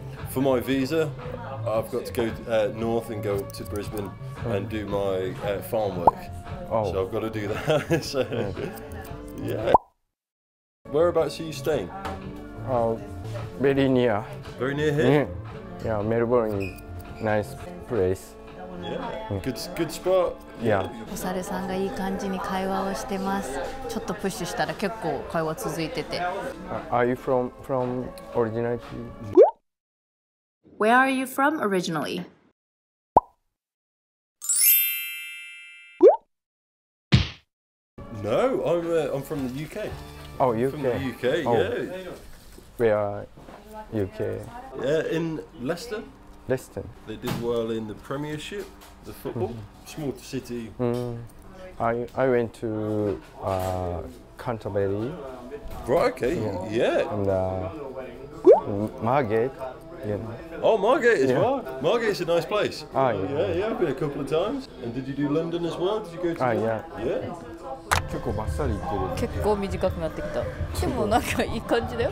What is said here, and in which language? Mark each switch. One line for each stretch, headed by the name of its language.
English: For my visa, I've got to go north and go up to Brisbane and do my farm work. Oh. So I've got to do that. So, yeah. Whereabouts are you staying? Very near. Very near here? Yeah, Melbourne is a nice place. Yeah. Good spot. Yeah.
Japanese: お猿さんがいい感じに会話をしてます。ちょっとプッシュしたら結構会話続いてて。
English: Are you from originally? Where are you from originally? No, I'm from the UK. Oh, UK. From the UK, yeah. Where are UK? Yeah, in Leicester. Leicester. They did well in the Premiership, the football, small city. I went to Canterbury. Right, okay, yeah. And Margate. Yeah. Oh, Margate as well. Margate's a nice place. Ah, yeah, I've been a couple of times. And did you do London as well? Did you go to London? Yeah. Yeah.
Japanese: 結構バッサリいってる。結構短くなってきた。でもなんかいい感じだよ。